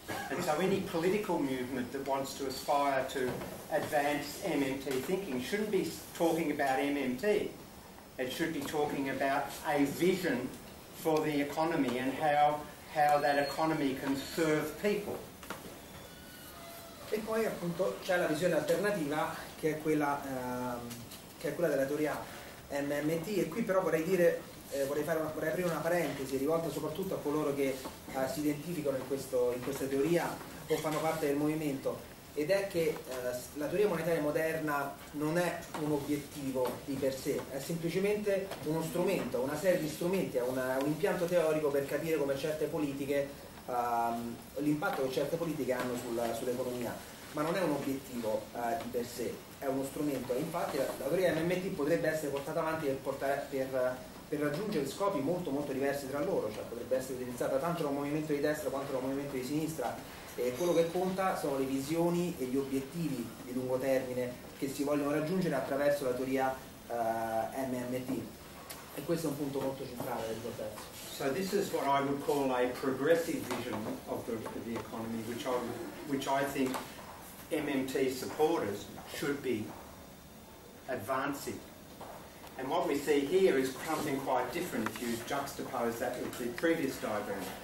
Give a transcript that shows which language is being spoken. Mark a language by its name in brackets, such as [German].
[English] And so any political movement that wants to aspire to advance MMT thinking shouldn't be talking about MMT. It should be talking about a vision for the economy and how that economy can serve people. [Italian] E poi appunto c'è la visione alternativa, che è quella della teoria MMT, e qui però vorrei aprire una parentesi rivolta soprattutto a coloro che si identificano in questa teoria o fanno parte del movimento, ed è che la teoria monetaria moderna non è un obiettivo di per sé, è semplicemente uno strumento, una serie di strumenti, un impianto teorico per capire come certe politiche, l'impatto che certe politiche hanno sull'economia, ma non è un obiettivo di per sé, è uno strumento. Infatti la teoria MMT potrebbe essere portata avanti per per raggiungere scopi molto molto diversi tra loro, cioè potrebbe essere utilizzata tanto da un movimento di destra quanto da un movimento di sinistra, e quello che conta sono le visioni e gli obiettivi di lungo termine che si vogliono raggiungere attraverso la teoria MMT, e questo è un punto molto centrale del tuo pezzo. [English] So this is what I would call a progressive vision of the economy, which I think MMT supporters should be advancing. And what we see here is something quite different if you juxtapose that with the previous diagram.